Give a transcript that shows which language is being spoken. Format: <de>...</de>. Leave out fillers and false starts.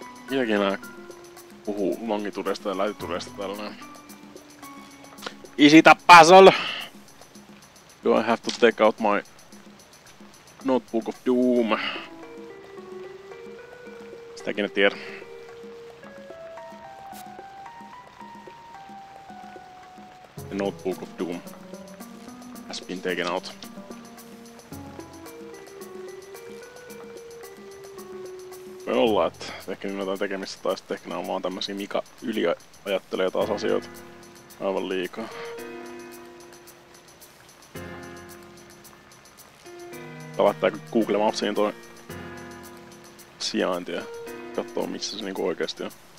<fi>Mitäkin nää puhuu vankitudesta ja lähtitudesta tällanen.</fi> <en>Easy tap puzzle! Do I have to take out my notebook of doom?</en> <fi>Sitäkin en tiedä.</fi> <en>The notebook of doom has been taken out.</en> <fi>Voi olla, että ehkä niin jotain tekemistä tai sitten ehkä nämä on vaan tämmösiä Mika yliajattelee taas asioita. Aivan liikaa. Tää laittaa Google Mapsiin toi sijainti ja katsoo missä se niinku oikeesti on.</fi>